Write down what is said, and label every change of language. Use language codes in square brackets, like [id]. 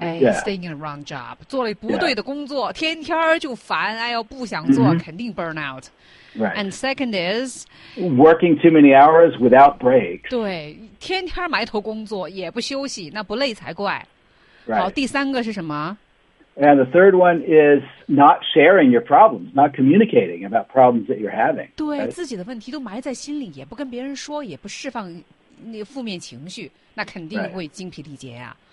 [en] staying in the wrong job [zh] 做了不对的工作、天天就烦哎呦不想做、mm-hmm. 肯定 burn out、 right. [en] And second is working too many hours without breaks [zh] 对天天埋头工作也不休息那不累才怪、 [en] right. [zh] 好第三个是什么 [en] And the third one is not sharing your problems, not communicating about problems that you're having. 对、right? [zh] 自己的问题都埋在心里，也不跟别人说，也不释放那负面情绪，那肯定会精疲力竭啊。